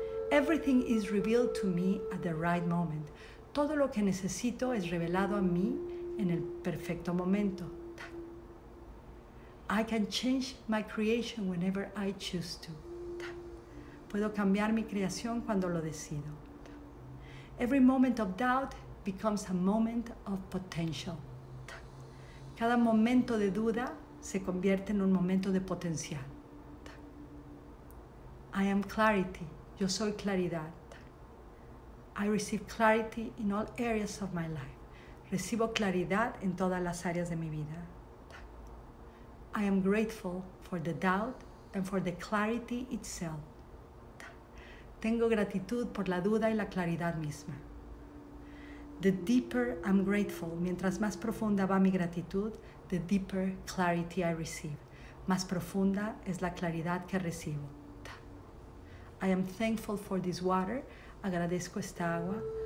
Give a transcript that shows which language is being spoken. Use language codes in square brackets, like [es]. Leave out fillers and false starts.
[en] Everything is revealed to me at the right moment. [es] Todo lo que necesito es revelado a mí en el perfecto momento. [en] I can change my creation whenever I choose to. [es] Puedo cambiar mi creación cuando lo decido. [en] Every moment of doubt becomes a moment of potential. [es] Cada momento de duda se convierte en un momento de potencial. [en] I am clarity. [es] Yo soy claridad. [en] I receive clarity in all areas of my life. [es] Recibo claridad en todas las áreas de mi vida. [en] I am grateful for the doubt and for the clarity itself. [es] Tengo gratitud por la duda y la claridad misma. [en] The deeper I'm grateful, [es] mientras más profunda va mi gratitud, [en] the deeper clarity I receive. [es] Más profunda es la claridad que recibo. [en] I am thankful for this water. [es] Agradezco esta agua.